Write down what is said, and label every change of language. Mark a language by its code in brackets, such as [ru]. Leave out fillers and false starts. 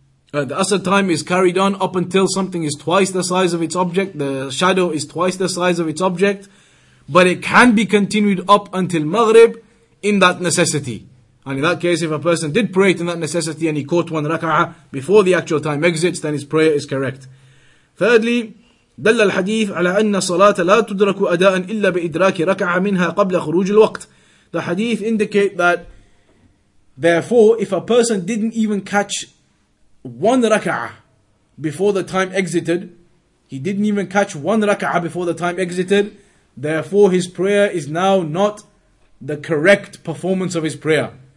[en] The Asr time is carried on up until something is twice the size of its object, the shadow is twice the size of its object, but it can be continued up until Maghrib in that necessity. And in that case, if a person did pray it in that necessity and he caught one rak'ah before the actual time exits, then his prayer is correct. [ar] Thirdly, دل الحديث على أن الصلاة لا تدرك أداء إلا بإدراك ركعة منها قبل خروج الوقت. [en] The hadith indicate that therefore if a person didn't even catch one rak'ah before the time exited, he didn't even catch one rak'ah before the time exited, therefore his prayer is now not the correct performance of his prayer.